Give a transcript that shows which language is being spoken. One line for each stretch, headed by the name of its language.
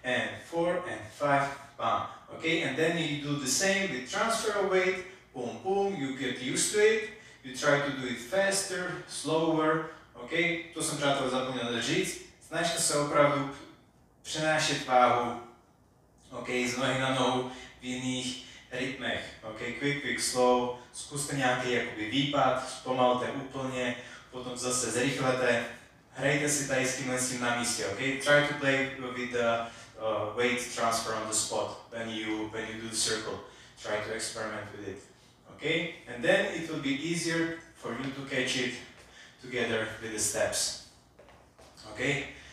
English: 1, 2, 3, 4, 5, bam. Okay, and then you do the same with transfer of weight, boom, boom, you get used to it, you try to do it faster, slower, okay?
Czech: To jsem třeba zapomněl držit, snažte se opravdu přenášet váhu, okay, z nohy na nohu v jiných rytmech, okay? Quick, quick, slow, zkuste nějaký jakoby výpad, zpomalte úplně, potom zase zrychlete, hrajte si tady s tímhle tím na místě, okay?
English: Try to play with the weight transfer on the spot when you do the circle. Try to experiment with it, okay? And then it will be easier for you to catch it together with the steps, okay?